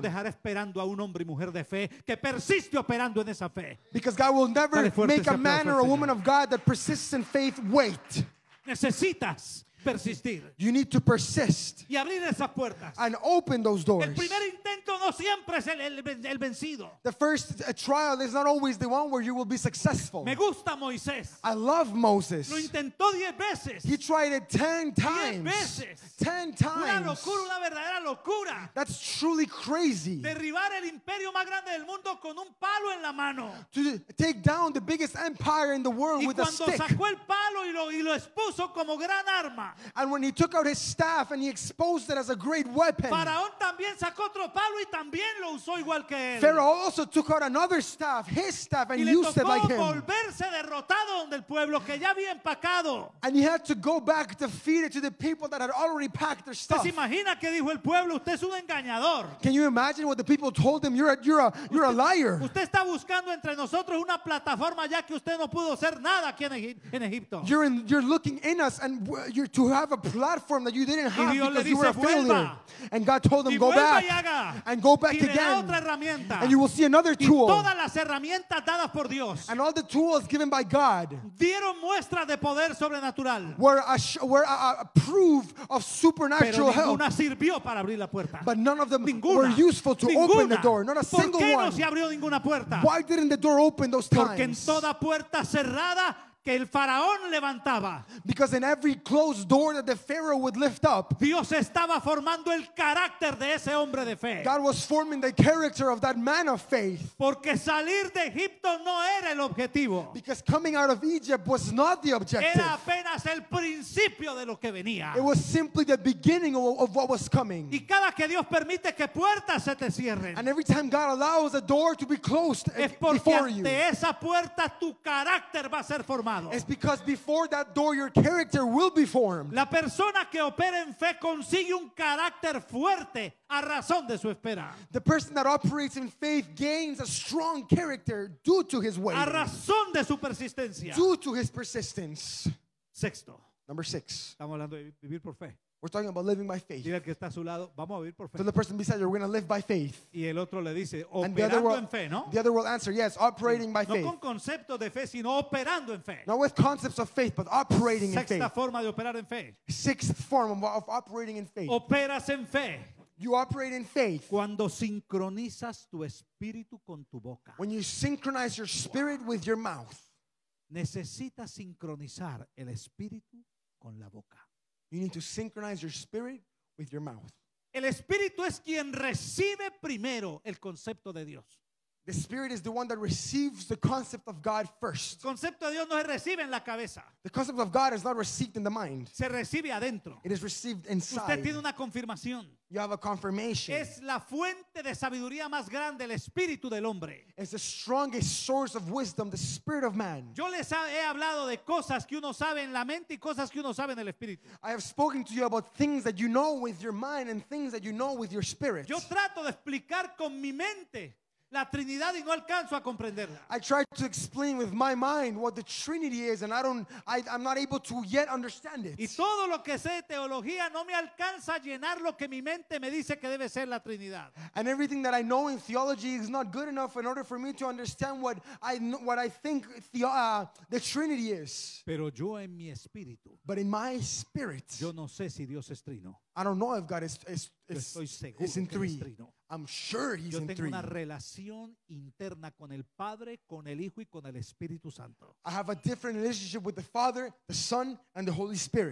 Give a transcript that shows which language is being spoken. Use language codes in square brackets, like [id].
[es] Porque nunca Dios dejará esperando a un hombre y mujer de fe que persiste operando en esa fe. [en] Because God will never make a man or a woman of God that persists in faith wait. [es] Necesitas persistir. [en] You need to persist. [es] Y abrir esas puertas. [en] And open those doors. [es] El primer intento no siempre es el vencido. [en] The first trial is not always the one where you will be successful. [es] Me gusta Moisés. [en] I love Moses. [es] Lo intentó 10 veces. [en] He tried it 10 times. [es] 10 veces. [en] 10 times. [es] Una locura, una verdadera locura. [en] That's truly crazy. [es] Derribar el imperio más grande del mundo con un palo en la mano. [en] To take down the biggest empire in the world [es] y [en] with a stick. [es] Y cuando sacó el palo y lo expuso como gran arma. [en] And when he took out his staff and he exposed it as a great weapon, [es] Faraón también sacó otro palo y también lo usó igual que él. [en] Pharaoh also took out another staff, his staff, and [es] y le [en] used [es] tocó [en] it like him. [es] Volverse derrotado donde el pueblo que ya había empacado. [en] And he had to go back defeated to the people that had already packed their stuff. [es] ¿Se imagina qué dijo el pueblo? Usted es un engañador. [en] Can you imagine what the people told him? You're a liar. [es] Usted está buscando entre nosotros una plataforma ya que usted no pudo ser nada aquí en Egipto. [en] You're looking in us and you're to have a platform that you didn't have because [es] dice, [en] you were a failure. [es] Vuelva. [en] And God told them, go back. And go back again. And you will see another tool. [es] Todas las herramientas dadas por Dios. [en] And all the tools given by God [es] dieron muestra de poder sobrenatural. [en] were a proof of supernatural [es] pero ninguna [en] help. [es] Sirvió para abrir la puerta. [en] But none of them [es] ninguna. [en] Were useful to [es] ninguna. [en] Open the door. Not a single [es] ¿por qué no [en] one. [es] Se abrió ninguna puerta? [en] Why didn't the door open those [es] porque [en] times? [es] En toda puerta cerrada, que el faraón levantaba. [en] Because in every closed door that the Pharaoh would lift up, [es] Dios estaba formando el carácter de ese hombre de fe. [en] God was forming the character of that man of faith. [es] Porque salir de Egipto no era el objetivo. [en] Because coming out of Egypt was not the objective. [es] Era apenas el principio de lo que venía. [en] It was simply the beginning of what was coming. [es] Y cada que Dios permite que puertas se te cierren, [en] and every time God allows a door to be closed before you, [es] es porque ante esa puerta tu carácter va a ser formado. formado. [en] It's because before that door, your character will be formed. [es] La persona que opera en fe consigue un carácter fuerte a razón de su espera. [en] The person that operates in faith gains a strong character due to his waiting. [es] A razón de su persistencia. [en] Due to his persistence. [es] Sexto. [en] Number six. [es] Estamos hablando de vivir por fe. [en] We're talking about living by faith. [es] Dile que está a su lado, vamos a vivir por fe. [en] To the person beside you, we're going to live by faith. [es] Y el otro le dice, operando en fe, ¿no? [en] The other will answer, yes, operating by faith. [es] No con concepto de fe, sino operando en fe. [en] Not with concepts of faith, but operating in faith. [es] Sexta forma de operar en fe. [en] Sixth form of operating in faith. [es] Operas en fe. [en] You operate in faith. [es] Cuando sincronizas tu espíritu con tu boca. [en] When you synchronize your spirit with your mouth. [es] Necesitas sincronizar el espíritu con la boca. [en] You need to synchronize your spirit with your mouth. [es] El espíritu es quien recibe primero el concepto de Dios. [en] The spirit is the one that receives the concept of God first. [es] El concepto de Dios no se recibe en la cabeza. [en] The concept of God is not received in the mind. [es] Se recibe adentro. [en] It is received inside. [es] Usted tiene una confirmación. [en] You have a confirmation. [es] Es la fuente de sabiduría más grande, el espíritu del hombre. [en] It's the strongest source of wisdom, the spirit of man. [es] Yo les he hablado de cosas que uno sabe en la mente y cosas que uno sabe en el espíritu. [en] I have spoken to you about things that you know with your mind and things that you know with your spirit. [es] Yo trato de explicar con mi mente la Trinidad y no alcanzo a comprenderla. [en] I try to explain with my mind what the Trinity is and I'm not able to yet understand it. [es] Y todo lo que sé de teología no me alcanza a llenar lo que mi mente me dice que debe ser la Trinidad. [en] And everything that I know in theology is not good enough in order for me to understand what I think the Trinity is. [es] Pero yo en mi espíritu. [en] But in my spirit. [es] Yo no sé si Dios es trino. [en] I don't know if God is in three. I'm sure he's [es] yo tengo [en] in three. [es] Una relación interna con el Padre, con el Hijo y con el Espíritu Santo. [en] I have a different relationship with the Father, the Son, and the Holy Spirit.